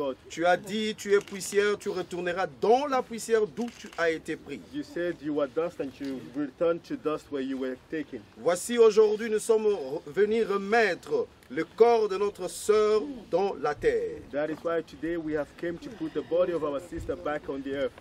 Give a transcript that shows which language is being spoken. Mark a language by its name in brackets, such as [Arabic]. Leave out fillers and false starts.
[French] Tu as dit, tu es poussière, tu retourneras dans la poussière d'où tu as été pris. [English] You said you are dust and you return to dust where you were taken. [French] Voici aujourd'hui, nous sommes venus remettre le corps de notre sœur dans la terre. [English] That is why today we have came to put the body of our sister back on the earth.